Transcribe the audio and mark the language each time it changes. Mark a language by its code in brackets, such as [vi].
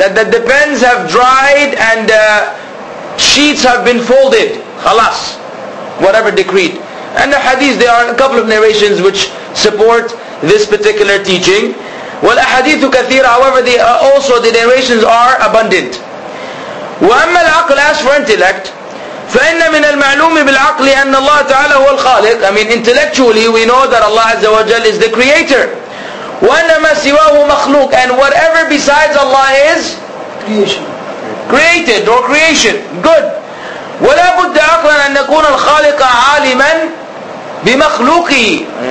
[en] And that the pens have dried and the sheets have been folded. خلاص. Whatever decreed. And the hadith, there are a couple of narrations which support this particular teaching. [ar] وَالْأَحَدِيثُ كَثِيرًا. [en] However, the narrations are abundant. [ar] وَأَمَّا الْعَقْلِ. [en] As for intellect, [ar] فَإِنَّ مِنَ الْمَعْلُومِ بِالْعَقْلِ أَنَّ اللَّهَ تَعَالَى هُوَ الْخَالِقِ. [en] I mean, intellectually, we know that Allah Azza wa Jal is the creator. [ar] وَأَنَّ مَا سِوَاهُ مَخْلُوقٌ. [en] And whatever besides Allah is creation. Created or creation. Good. [ar] وَلَا بُدَّ عَقْلًا أَن نَكُونَ الْخَالِقَ عَالِمًا بِمَخْلُوقِهِ.